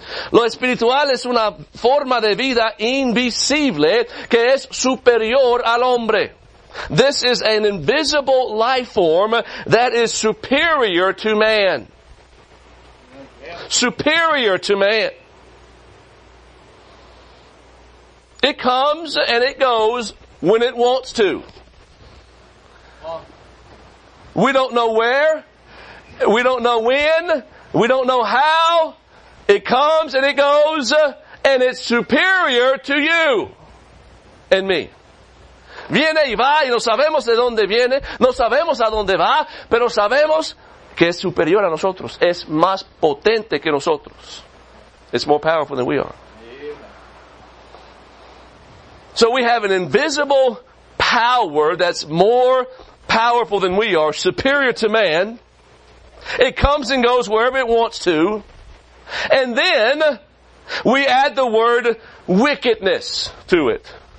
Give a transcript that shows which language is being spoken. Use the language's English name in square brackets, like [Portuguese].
[Spanish] Lo espiritual es una forma de vida invisible que es superior al hombre. [English] This is an invisible life form that is superior to man. Superior to man. It comes and it goes when it wants to. We don't know where. We don't know when. We don't know how. It comes and it goes and it's superior to you and me. [Spanish] Viene y va y no sabemos de dónde viene, no sabemos a dónde va, pero sabemos que es superior a nosotros, es más potente que nosotros. [English] It's more powerful than we are. So we have an invisible power that's more powerful than we are, superior to man. It comes and goes wherever it wants to. And then we add the word wickedness to it.